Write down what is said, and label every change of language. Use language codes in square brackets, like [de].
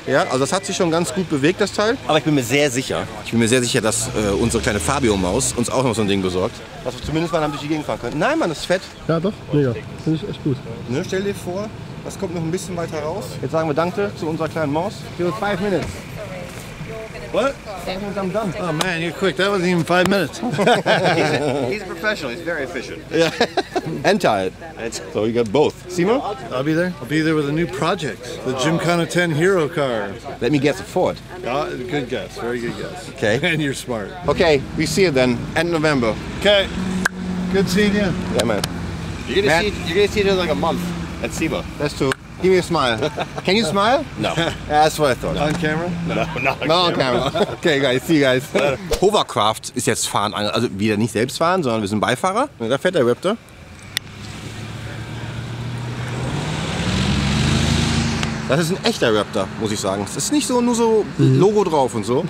[de] Ja, also das hat sich schon ganz gut bewegt, das Teil. Aber ich bin mir sehr sicher. Ich bin mir sehr sicher, dass unsere kleine Fabio-Maus uns auch noch so ein Ding besorgt. Dass wir zumindest mal durch die Gegend fahren können. Nein, Mann, das ist fett. Ja, doch. Mega. Finde ich echt gut. Ne, stell dir vor, das kommt noch ein bisschen weiter raus. Jetzt sagen wir Danke zu unserer kleinen Maus. [en] Give us 5 minutes. What? I'm done. Oh man, you're quick. That wasn't even 5 minutes. He's a professional. He's very efficient. Yeah. And tired. So you got both. Simo? I'll be there. I'll be there with a new project. The Gymkhana 10 Hero car. Let me guess, a Ford. Good guess. Very good guess. Okay. And you're smart. Okay. We see you then. End November. Okay. Good seeing you. Yeah, man. You're gonna see it in like a month at SEMA. That's true. Give me a smile. Can you smile? No. Yeah, that's what I thought. On camera? No, not on camera. Okay, guys. See you guys. [de] Hovercraft ist jetzt fahren. Also wieder nicht selbst fahren, sondern wir sind Beifahrer. Und da fährt der Raptor. Das ist ein echter Raptor, muss ich sagen. Es ist nicht so nur so Logo drauf und so.